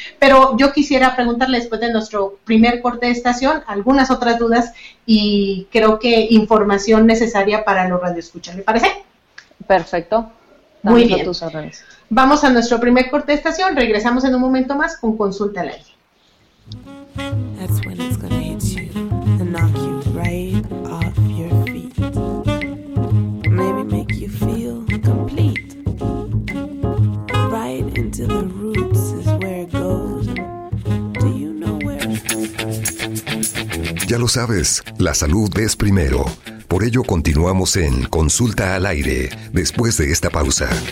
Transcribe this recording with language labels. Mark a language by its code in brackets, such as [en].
[es] Pero yo quisiera preguntarle, después de nuestro primer corte de estación, algunas otras dudas y creo que información necesaria para los radioescuchas, ¿le parece? Perfecto. Muy bien. Vamos a nuestro primer corte de estación. Regresamos en un momento más con Consulta al Aire. [en] That's when it's gonna hit you and knock you right off your feet. Maybe make you feel complete. Right into the roots is where it goes. Do you know where it goes? [es] Ya lo sabes, la salud es primero. Por ello continuamos en Consulta al Aire después de esta pausa.